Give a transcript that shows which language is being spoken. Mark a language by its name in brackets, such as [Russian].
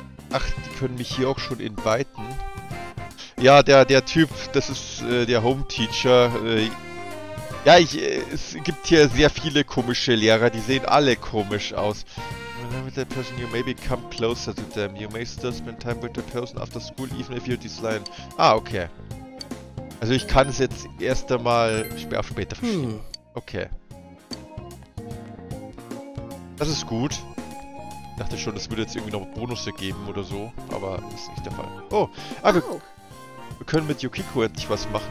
[German] Ach, die können mich hier auch schon inviten. Ja, der Typ, das ist der Home-Teacher. Ja, es gibt hier sehr viele komische Lehrer, die sehen alle komisch aus. Mein Name [English] with that person, you maybe come closer to them. You may still spend time with the person after school, even if you decline. Ah, okay. [German] Also ich kann es jetzt erst einmal auf später verschieben. Okay. Das ist gut. Ich dachte schon, es würde jetzt irgendwie noch Bonus geben oder so, aber das ist nicht der Fall. Oh, aber wir können mit Yukiko endlich was machen.